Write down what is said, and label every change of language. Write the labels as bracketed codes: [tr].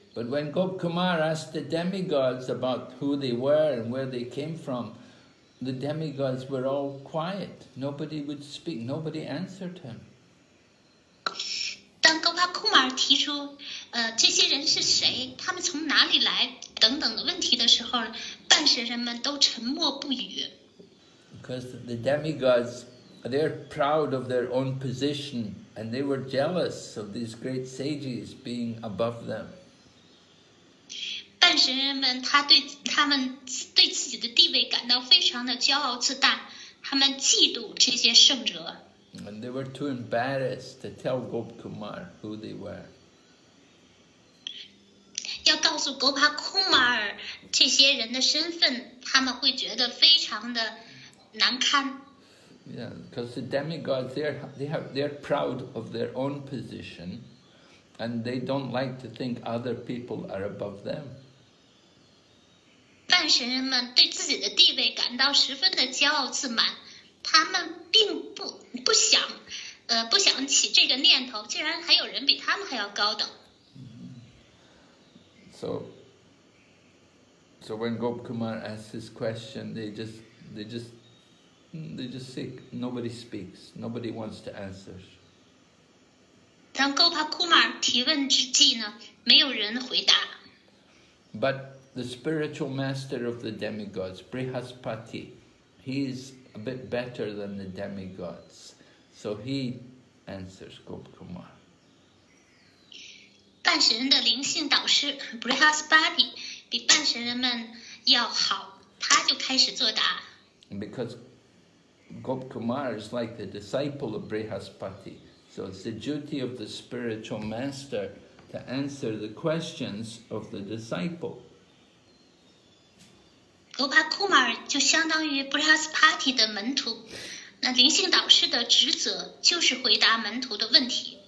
[en] But when Gop Kumar asked the demigods about who they were and where they came from,The demigods were all quiet. Nobody would speak. Nobody answered him. [zh] 当高帕库马尔提出，这些人是谁？他们从哪里来？等等的问题的时候，半神人们都沉默不语。 [en] Because the demigods, they're proud of their own position, and they were jealous of these great sages being above them. [zh] 半神人们，他们对自己的地位感到非常的骄傲自大，他们嫉妒这些圣者。 [en] And they were too embarrassed to tell Gop Kumar who they were. [zh] 要告诉 Gopa Kumar 这些人的身份，他们会觉得非常的难堪。 [en] Yeah, because the demigods they're proud of their own position, and they don't like to think other people are above them. [zh] 半神人们对自己的地位感到十分的骄傲自满，他们并不想起这个念头，竟然还有人比他们还要高等。 [en] So when Gop Kumar asks his question, they just say nobody speaks, nobody wants to answer. [zh] 当 Gopa Kumar 提问之际呢，没有人回答。 [en] But. The spiritual master of the demigods, Brihaspati, he is a bit better than the demigods. So he answers Gop Kumar. [zh] 半神人的灵性导师 Brihaspati 比半神人们要好，他就开始作答。 [en] Because Gop Kumar is like the disciple of Brihaspati, so it's the duty of the spiritual master to answer the questions of the disciple. [zh] 格帕库马尔就相当于布拉斯帕提的门徒，那灵性导师的职责就是回答门徒的问题。